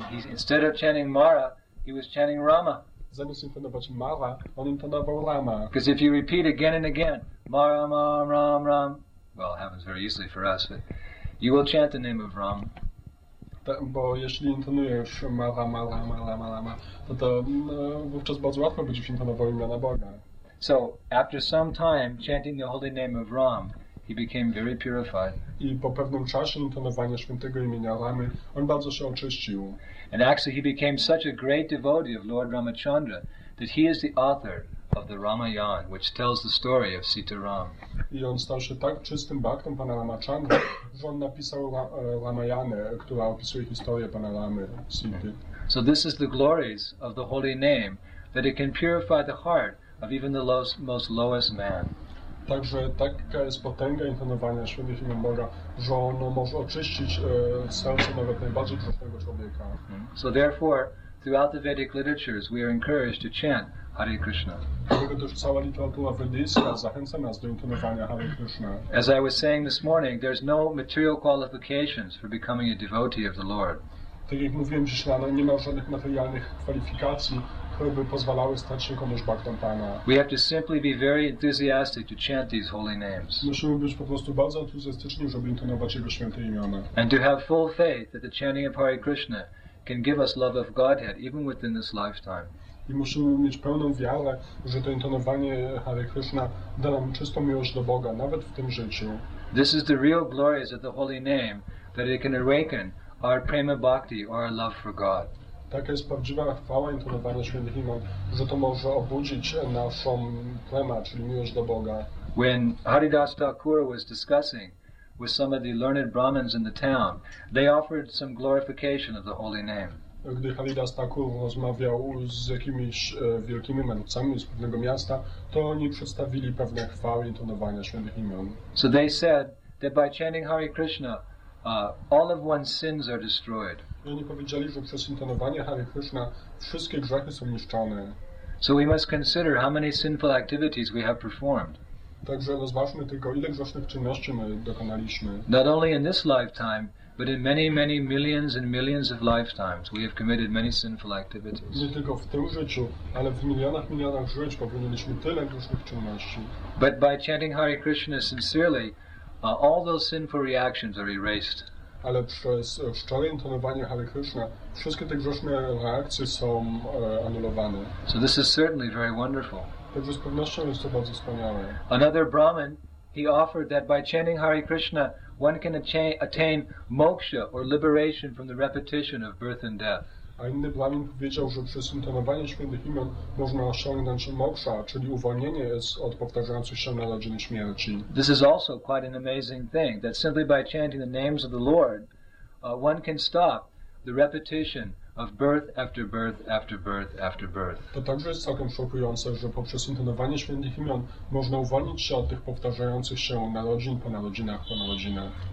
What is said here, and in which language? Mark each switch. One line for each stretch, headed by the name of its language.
English: Instead of chanting Mara, he was chanting Rama.
Polish: Zamiast intonować Mara, on intonował Rama.
English: Because if you repeat again and again, Mara, Mara, Rama, Rama, well, it happens very easily for us, but you will chant the name of Ram.
Polish: Bo jeśli intonujesz Mara, Mara, Mara, Mara, Mara, to wówczas bardzo łatwo będziesz intonował imiona Boga.
English: So, after some time chanting the holy name of Ram, he became very purified.
Polish: I po pewnym czasie intonowania świętego imienia Ramy, on bardzo się oczyścił.
English: And actually he became such a great devotee of Lord Ramachandra that he is the author of the Ramayana, which tells the story of Sita Ram.
Polish: I on stał się tak czystym baktem pana Ramachandra, że on napisał Ramayanę, która opisuje historię pana Ramy, Sity.
English: So this is the glories of the holy name, that it can purify the heart of even the most lowest man.
Polish: Także taka jest potęga intonowania świętych imion Boga, że ono może oczyścić serce nawet najbardziej grzesznego człowieka.
English: So therefore, throughout the Vedic literatures, we are encouraged to chant Hare Krishna.
Polish: Dlatego też cała literatura wedyjska zachęca nas do intonowania Hare Krishna.
English: As I was saying this morning, there's no material qualifications for becoming a devotee of the Lord.
Polish: Tak jak mówiłem dziś rano, nie ma żadnych materialnych kwalifikacji, które by pozwalały stać się komuś baktem Pana.
English: We have to simply be very enthusiastic to chant these holy names.
Polish: Musimy być po prostu bardzo entuzjastyczni, żeby intonować Jego święte imiona.
English: And to have full faith that the chanting of Hare Krishna can give us love of Godhead, even within this lifetime.
Polish: I musimy mieć pełną wiarę, że to intonowanie Hare Krishna da nam czystą miłość do Boga, nawet w tym życiu.
English: This is the real glories of the holy name, that it can awaken our prema bhakti, or our love for God.
Polish: Taka jest prawdziwa chwała intonowania świętych imion, że to może obudzić naszą prema, czyli miłość do Boga.
English: When Haridas Thakur was discussing with some of the learned Brahmins in the town, they offered some glorification of the holy name.
Polish: Gdy Haridas Thakur rozmawiał z jakimiś wielkimi mędrcami z pewnego miasta, to oni przedstawili pewne chwały intonowania świętych imion.
English: So they said that by chanting Hare Krishna, all of one's sins are destroyed.
Polish: I oni powiedzieli, że przez intonowanie Hare Krishna wszystkie grzechy są niszczone.
English: So we must consider how many sinful activities we have performed.
Polish: Także rozważmy tylko, ile grzesznych czynności my dokonaliśmy.
English: Not only in this lifetime, but in many, many millions and millions of lifetimes, we have committed many sinful activities.
Polish: Nie tylko w tym życiu, ale w milionach, milionach żyć popełniliśmy tyle grzesznych czynności.
English: But by chanting Hare Krishna sincerely, all those sinful reactions are erased.
Polish: Ale przez szczere intonowanie Hare Krishna wszystkie te grzeszne reakcje są anulowane.
English: So this is certainly very wonderful.
Polish: Także z pewnością jest to bardzo wspaniałe.
English: Another Brahmin, he offered that by chanting Hare Krishna, one can attain moksha or liberation from the repetition of birth and death.
Polish: A inny Brahmin powiedział, że przez intonowanie świętych imion można osiągnąć moksha, czyli uwolnienie od powtarzających się narodzin i śmierci.
English: This is also quite an amazing thing, that simply by chanting the names of the Lord, one can stop the repetition of birth after birth after birth after birth.
Polish: To także jest całkiem szokujące, że poprzez intonowanie świętych imion można uwolnić się od tych powtarzających się narodzin po narodzinach po narodzinach.